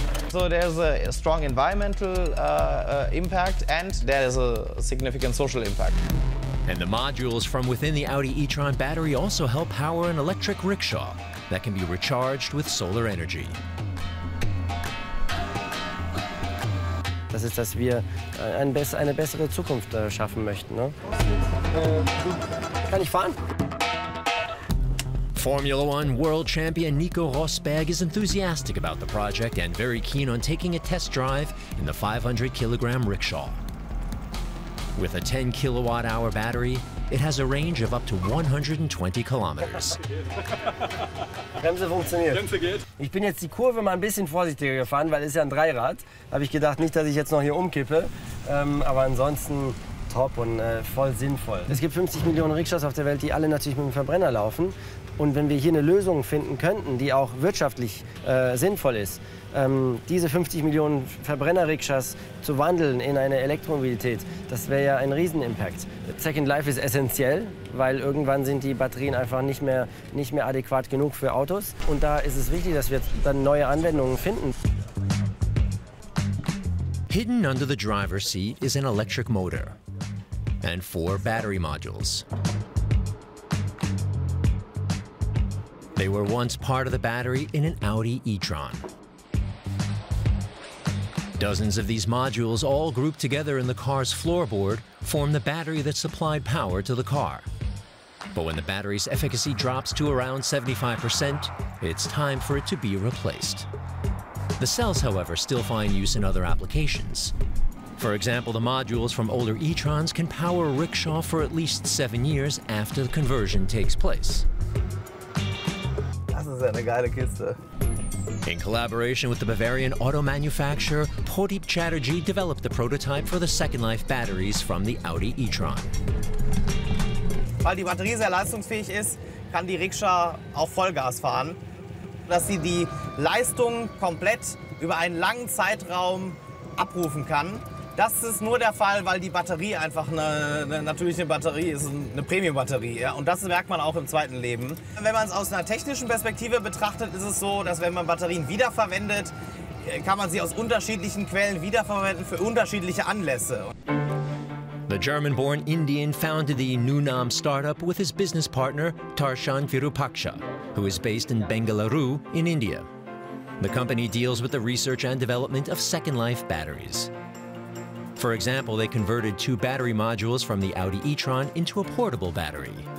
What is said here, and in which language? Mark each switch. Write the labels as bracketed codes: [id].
[en] So there's a strong environmental impact, and there is a significant social impact. And the modules from within the Audi e-tron battery also help power an electric rickshaw that can be recharged with solar energy. [de] Das ist, dass wir eine bessere Zukunft schaffen möchten. Ne? Kann ich fahren? [en] Formula One world champion Nico Rosberg is enthusiastic about the project and very keen on taking a test drive in the 500 kilogram rickshaw. With a 10 kilowatt hour battery, it has a range of up to 120 kilometers. [de] Bremse funktioniert. Bremse geht. Ich bin jetzt die Kurve mal ein bisschen vorsichtiger gefahren, weil es ist ja ein Dreirad. Habe ich gedacht, nicht, dass ich jetzt noch hier umkippe. Aber ansonsten top und voll sinnvoll. Es gibt 50 Millionen Rickshaws auf der Welt, die alle natürlich mit dem Verbrenner laufen. Und wenn wir hier eine Lösung finden könnten, die auch wirtschaftlich sinnvoll ist, diese 50 Millionen Verbrenner-Rikschas zu wandeln in eine Elektromobilität, das wäre ja ein Riesenimpact. Second Life ist essentiell, weil irgendwann sind die Batterien einfach nicht mehr adäquat genug für Autos. Und da ist es wichtig, dass wir dann neue Anwendungen finden. [en] Hidden under the driver's seat is an electric motor and 4 battery modules. They were once part of the battery in an Audi e-tron. Dozens of these modules, all grouped together in the car's floorboard, form the battery that supplied power to the car. But when the battery's efficacy drops to around 75%, it's time for it to be replaced. The cells, however, still find use in other applications. For example, the modules from older e-trons can power a rickshaw for at least 7 years after the conversion takes place. [de] Das ist eine geile Kiste. [en] In collaboration with the Bavarian auto manufacturer, Pradeep Chatterjee developed the prototype for the Second Life batteries from the Audi e-tron. [de] Weil die Batterie sehr leistungsfähig ist, kann die Rikscha auch Vollgas fahren. Dass sie die Leistung komplett über einen langen Zeitraum abrufen kann, das ist nur der Fall, weil die Batterie einfach eine natürliche Batterie ist, eine Premium-Batterie. Ja? Und das merkt man auch im zweiten Leben. Wenn man es aus einer technischen Perspektive betrachtet, ist es so, dass wenn man Batterien wiederverwendet, kann man sie aus unterschiedlichen Quellen wiederverwenden für unterschiedliche Anlässe. [en] The German-born Indian founded the Nunam startup with his business partner, Tarshan Virupaksha, who is based in Bengaluru in India. The company deals with the research and development of Second Life batteries. For example, they converted 2 battery modules from the Audi e-tron into a portable battery.